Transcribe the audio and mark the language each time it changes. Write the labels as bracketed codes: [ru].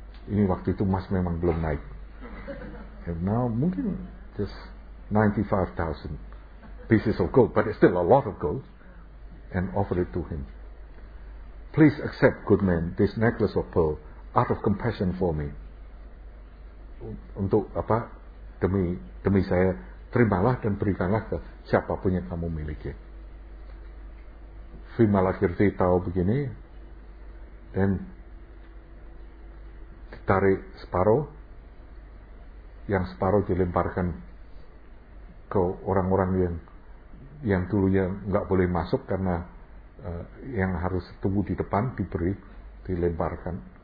[id] Ini waktu itu emas memang belum naik. [en] And now [id] mungkin [en] just 95,000 pieces of gold, but it's still a lot of gold. And offer it to him. Please accept, good man, this necklace of pearl out of compassion for me. [id] Untuk apa? Demi saya, terimalah dan berikanlah ke siapapun yang kamu miliki. Vimalakirti tahu begini, dan ditarik separuh, yang separuh dilemparkan ke orang-orang yang dulunya enggak boleh masuk karena yang harus tunggu di depan diberi, dilemparkan.